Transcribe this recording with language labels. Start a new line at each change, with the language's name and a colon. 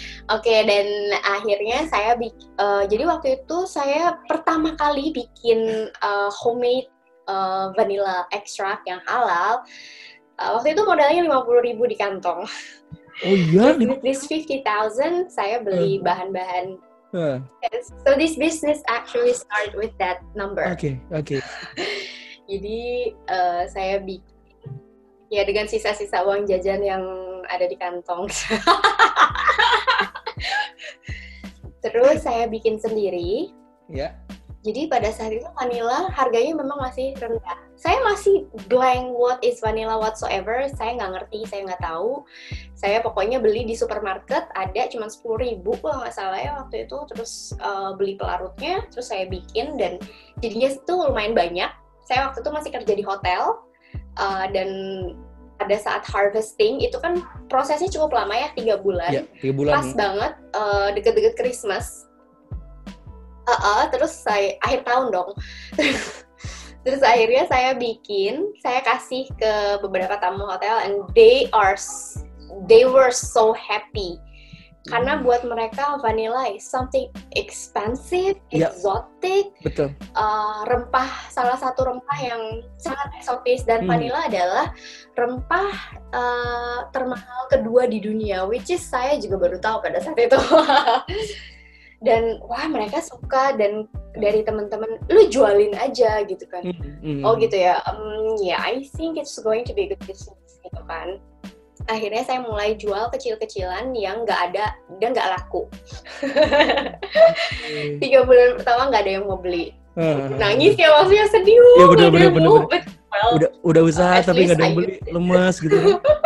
Indonesian: Oke, dan akhirnya saya jadi waktu itu saya pertama kali bikin homemade vanilla extract yang halal. Waktu itu modalnya 50.000 di kantong. Oh iya,
English: with this 50,000
Indonesian: saya beli bahan-bahan.
English: So this business actually start with that number. Okay.
Indonesian: Jadi saya bikin ya dengan sisa-sisa uang jajan yang ada di kantong. Terus saya bikin sendiri. Jadi pada saat itu vanilla harganya memang masih rendah. Saya masih blank
English: what is vanilla whatsoever.
Indonesian: Saya nggak ngerti, saya nggak tahu. Saya pokoknya beli di supermarket, ada cuma 10.000 kalau nggak salah ya waktu itu. Terus beli pelarutnya, terus saya bikin, dan jadinya itu lumayan banyak. saya waktu itu masih kerja di hotel, dan pada saat harvesting, itu kan prosesnya cukup lama ya, 3 bulan. Iya, 3 bulan. Pas banget, deket-deket Christmas. Terus saya, akhir tahun dong. Terus akhirnya saya bikin, saya kasih ke beberapa tamu hotel,
English: and they were so happy.
Indonesian: Karena buat mereka
English: vanilla is something expensive, exotic.
Indonesian: Ya, betul. Rempah, salah satu rempah yang sangat eksotis, dan vanilla adalah rempah termahal kedua di dunia,
English: which is
Indonesian: saya juga baru tahu pada saat itu. Dan wah, mereka suka, dan dari teman-teman, lu jualin aja gitu kan. Oh gitu ya.
English: Yeah, I think it's going to be a good business gitu kan.
Indonesian: Akhirnya saya mulai jual kecil-kecilan yang nggak ada dan nggak laku. 3 bulan pertama nggak ada yang mau beli. Nangis ya, maksudnya sedih. Ya, bener. Well, udah usaha tapi nggak ada yang beli, lemas gitu.